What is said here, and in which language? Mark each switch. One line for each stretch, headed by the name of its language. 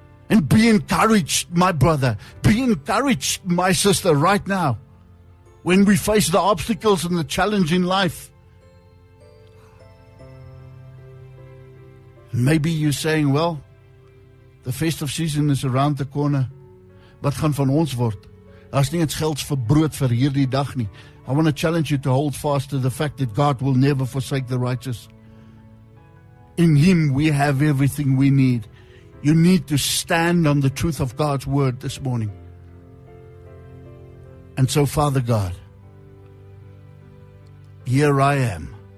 English: And be encouraged, my brother. Be encouraged, my sister, right now. When we face the obstacles and the challenge in life. Maybe you're saying, well, the festive season is around the corner.
Afrikaans: Wat gaan van ons word? As nie het geld vir brood vir hierdie dag nie.
English: I want to challenge you to hold fast to the fact that God will never forsake the righteous. In Him we have everything we need. You need to stand on the truth of God's word this morning. And so, Father God, here I am.